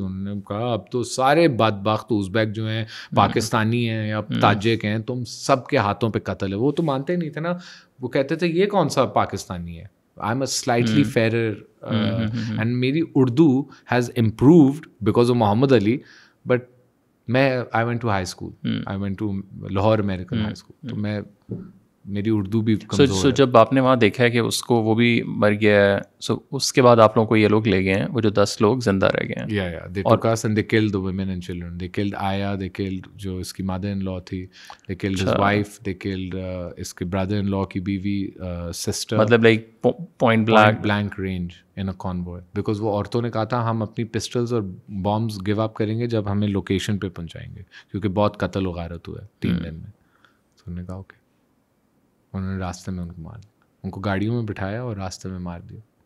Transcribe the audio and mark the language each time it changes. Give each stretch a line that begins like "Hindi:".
Urdu: انہوں نے کہا اب تو سارے بدبخت ازبیک جو ہیں پاکستانی ہیں یا تاجک ہیں, تم سب کے ہاتھوں پہ قتل ہے. وہ تو مانتے نہیں تھے نا, وہ کہتے تھے یہ کون سا پاکستانی ہے,
English: I am a slightly fairer, and میری Urdu has improved because of Muhammad Ali. But میں I went to high school, I went to Lahore American high school,
Urdu: تو میں میری اردو بھی کمزور ہے. سو جب آپ نے وہاں دیکھا ہے کہ اس کو وہ بھی مر گیا ہے, سو اس کے بعد آپ لوگوں کو یہ لوگ لے گئے ہیں, وہ جو 10 لوگ زندہ رہ گئے ہیں.
English: یا یا they took us and they killed the women and children, they killed ayah, they killed جو
Urdu: اس کی مادر ان لا تھی,
English: they killed his wife, they killed
Urdu: اس کے برادر ان لا کی بیوی,
English: sister, مطلب like point blank blank range in a convoy, because
Urdu: وہ عورتوں نے کہا تھا ہم اپنی پسٹلز اور بامبز گیو اپ کریں گے جب ہمیں لوکیشن پہ پہنچائیں گے, کیونکہ بہت قتل و غارت ہوا ہے 3 دن میں. تو انہوں نے کہا اوکے, انہوں نے راستے میں ان کو مار دیا, ان کو گاڑیوں میں بٹھایا اور راستے میں مار دیا.